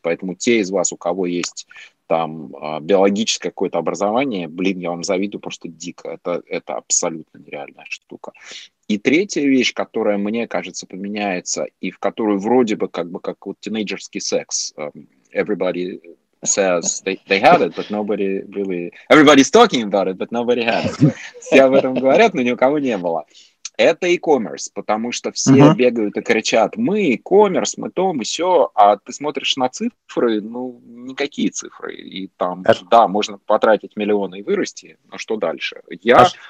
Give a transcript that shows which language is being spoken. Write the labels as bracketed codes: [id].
[ru] Поэтому те из вас, у кого есть там биологическое какое-то образование, блин, я вам завидую просто дико. Это абсолютно нереальная штука. И третья вещь, которая, мне кажется, поменяется и в которую вроде бы как вот тинейджерский секс. [en] Everybody says they had it, but nobody really... Everybody's talking about it, but nobody had it. [ru] Все об этом говорят, но ни у кого не было. Это e-commerce, потому что все бегают и кричат, мы e-commerce, мы то, мы сё, а ты смотришь на цифры, ну, никакие цифры. И там, да, можно потратить миллионы и вырасти, но что дальше? Я...